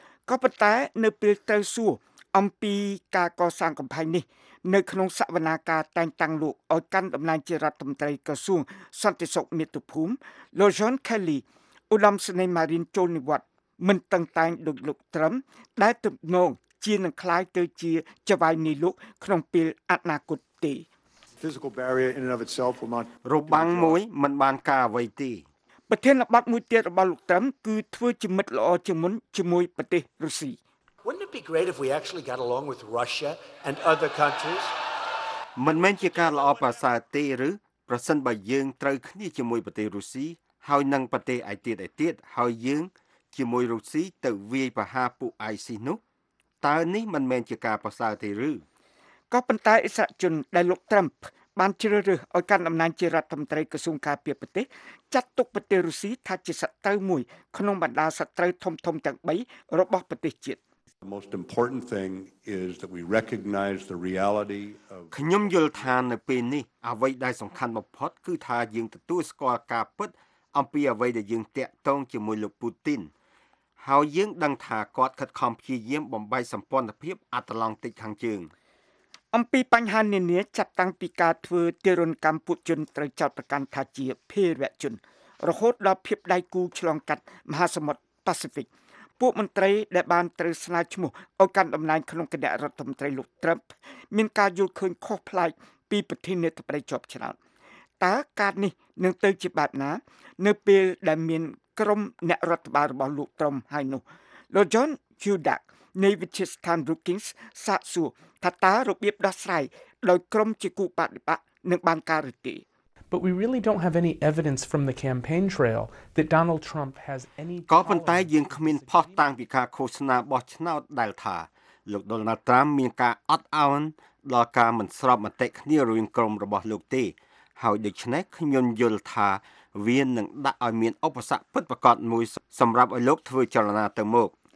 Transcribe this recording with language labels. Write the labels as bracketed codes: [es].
[km] ក៏ប៉ុន្តែនៅពេលត្រូវសួរអំពីការកសាងកំផែងនេះនៅក្នុងសវនាការតែងតាំងលោកឲ្យកាន់តំណែងជារដ្ឋមន្ត្រីក្រសួងសន្តិសុខមាតុភូមិលោក John Kelly ឧត្តមសេនីយ៍ Marine ចូលនិវត្តមិនតឹងតែងដូចលោកត្រឹមដែលទំនងជានឹងខ្លាយទៅជាចវាយនៃលោកក្នុងពេលអនាគតទេ [en] Physical barrier in and of itself will not [km] របាំងមួយមិនបានការអ្វីទេ ប្រធានបတ်មួយទៀតរបស់លោកត្រឹមគឺធ្វើជាមិត្តល្អជាងមុនជាមួយប្រទេសរុស្ស៊ី [en] Wouldn't it be great if we actually got along with Russia and other countries? [km] មិនមែនជាការល្អប្រសើរទេឬប្រសិនបើយើងត្រូវគ្នាជាមួយប្រទេសរុស្ស៊ីហើយនិងប្រទេសឯទៀតឯទៀតហើយយើងជាមួយរុស្ស៊ីទៅវាយប្រហារពួក ISIS នោះតើនេះមិនមែនជាការប្រសើរទេឬ ក៏ប៉ុន្តែអ៊ីស្រាអែលជនដែលលោកត្រាំបបានជ្រើសរើសឲ្យកាន់តំណែងជារដ្ឋមន្ត្រីក្រសួងការពារប្រទេសចាត់ទុកប្រទេសរុស្ស៊ីថាជាសត្រូវមួយក្នុងបណ្ដាសត្រូវធំធំទាំង3របស់ប្រទេសជាតិ [en] The most important thing is that we recognize the reality of [km] ខ្ញុំយល់ថានៅពេលនេះអ្វីដែលសំខាន់បំផុតគឺថាយើងទទួលស្គាល់ការពិតអំពីអ្វីដែលយើងតាក់ទងជាមួយលោកពូទីនហើយយើងដឹងថាគាត់ខិតខំព្យាយាមបំបែកសម្ព័ន្ធភាពអាត្លង់ទិកខាងជើង អំពីបញ្ហានានាចាប់តាំងពីការធ្វើទារុណកម្មពួកជនត្រូវចាត់ប្រកាន់ថាជាភេរវៈជនរហូតដល់ភាពដៃគូឆ្លងកាត់មហាសមុទ្រប៉ាស៊ីហ្វិកពួកមន្ត្រីដែលបានត្រូវស្នើឈ្មោះឲ្យកាន់តំណែងក្នុងគណៈរដ្ឋមន្ត្រីលោកត្រាំបមានការយល់ឃើញខុសប្លែកពីប្រធានាធិបតីជាប់ច្រើន តើការនេះនឹងទៅជាបែបណានៅពេលដែលមានក្រុមអ្នករដ្ឋបាលរបស់លោកត្រាំបហើយនោះលោក John Judak នៃវិទ្យាស្ថាន Brookings សាកសួរថាតើរបៀបដោះស្រាយដោយក្រុមជាគូបដិបកនឹងបានការឬទេ [en] But we really don't have any evidence from the campaign trail that Donald Trump has any [km] ក៏ប៉ុន្តែយើងគ្មានភស្តុតាងពីការឃោសនាបោះឆ្នោតដែលថាលោក Donald Trump មានការអត់អោនដល់ការមិនស្របមតិគ្នារវាងក្រុមរបស់លោកទេហើយដូច្នេះខ្ញុំយល់ថាវានឹងដាក់ឲ្យមានឧបសគ្គពិតប្រាកដមួយសម្រាប់ឲ្យលោកធ្វើចលនាទៅមុខ